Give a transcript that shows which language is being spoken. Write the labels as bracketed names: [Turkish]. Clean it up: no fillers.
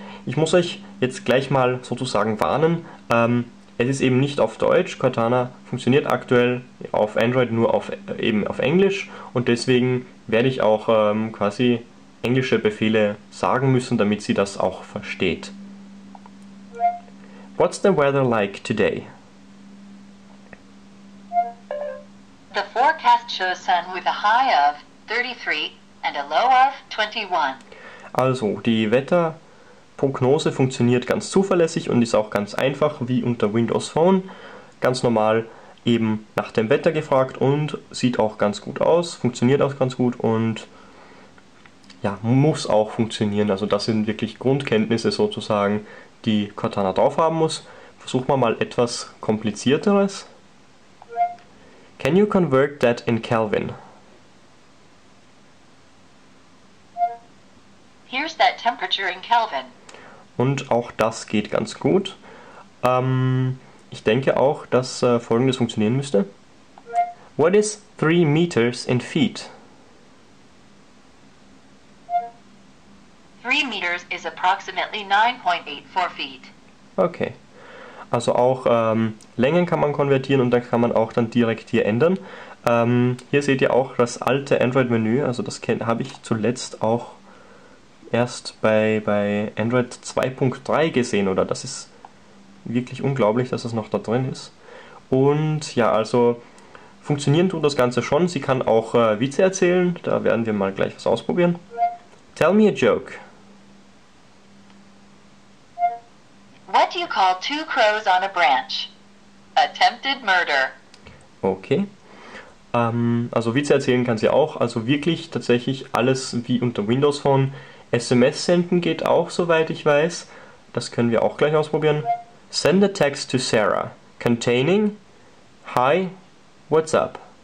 [German] Ich muss euch jetzt gleich mal sozusagen warnen. Es ist eben nicht auf Deutsch. Cortana funktioniert aktuell auf Android nur eben auf Englisch und deswegen werde ich auch quasi englische Befehle sagen müssen, damit sie das auch versteht. [English] What's the weather like today? The forecast shows sun with a high of 33 and a low of 21. [German] Also, die Wetterprognose funktioniert ganz zuverlässig und ist auch ganz einfach wie unter Windows Phone. Ganz normal eben nach dem Wetter gefragt und sieht auch ganz gut aus, funktioniert auch ganz gut und ja, muss auch funktionieren. Also das sind wirklich Grundkenntnisse sozusagen, die Cortana drauf haben muss. Versuchen wir mal etwas Komplizierteres. [English] Can you convert that in Kelvin? Here's that temperature in Kelvin. [German] Und auch das geht ganz gut. Ich denke auch, dass Folgendes funktionieren müsste. [English] What is 3 meters in feet? 3 meters is approximately 9.84 feet. [German] Okay, also auch Längen kann man konvertieren und dann kann man auch dann direkt hier ändern. Hier seht ihr auch das alte Android-Menü, also das habe ich zuletzt auch erst bei Android 2.3 gesehen, oder? Das ist wirklich unglaublich, dass das noch da drin ist. Und ja, also funktionieren tut das Ganze schon. Sie kann auch Witze erzählen, da werden wir mal gleich was ausprobieren. [English] Tell me a joke. What do you call two crows on a branch? Attempted murder. [German] Okay, also Witze erzählen kann sie auch, also wirklich tatsächlich alles wie unter Windows Phone. SMS senden geht auch, soweit ich weiß. Das können wir auch gleich ausprobieren. [English] Send a text to Sarah containing Hi, what's up?